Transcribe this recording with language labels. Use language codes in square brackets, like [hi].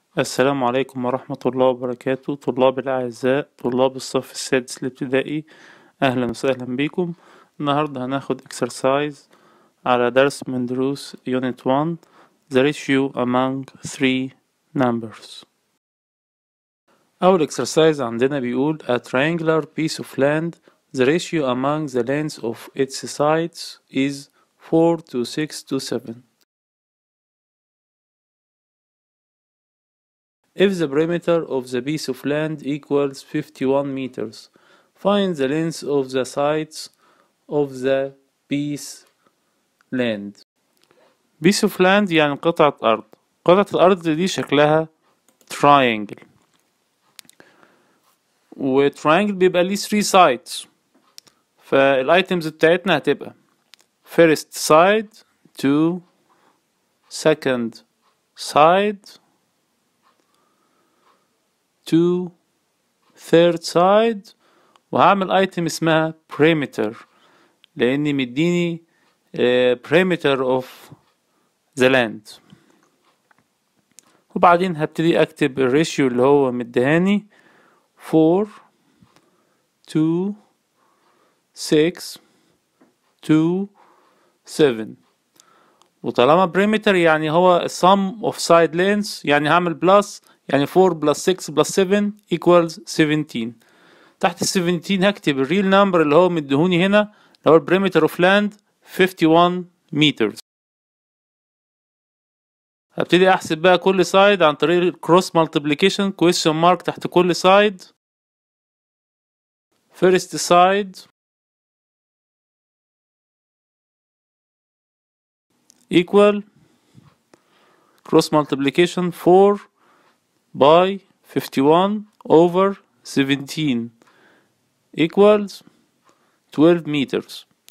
[ar] السلام عليكم ورحمة الله وبركاته، طلاب الأعزاء، طلاب الصف السادس الابتدائي، أهلا وسهلا بكم. النهاردة هناخد [en] exercise [ar] على درس من دروس [en] unit 1 the ratio among three numbers. أول exercise [ar] عندنا بيقول [en] a triangular piece of land the ratio among the lands of its sides is 4 to 6 to 7. If the perimeter of the piece of land equals 51 meters, find the length of the sides of the piece land. Piece of land [ar] يعني قطعة أرض. قطعة الأرض دي شكلها triangle. و triangle بيبقى ليه [en] 3 sides. فال items [ar] بتاعتنا هتبقى [en] first side to second side to third side، [ar] وهعمل item اسمها perimeter لاني مديني perimeter [en] of the land، [ar] وبعدين هبتدي اكتب الratio اللي هو مدهاني 4 2 6 2 7. [en] وطالما perimeter [ar] يعني هو [en] sum of side lengths، يعني هعمل plus، يعني 4 plus 6 plus 7 equals 17. [ar] تحت ال 17 هكتب ال [en] real number [ar] اللي هو مدهوني هنا اللي هو ال [en] perimeter of land 51 meters. [ar] هبتدي احسب بقى كل side عن طريق ال [en] cross multiplication question mark [ar] تحت كل side. [en] first side equal cross multiplication 4 by 51 over 17 equals 12 meters.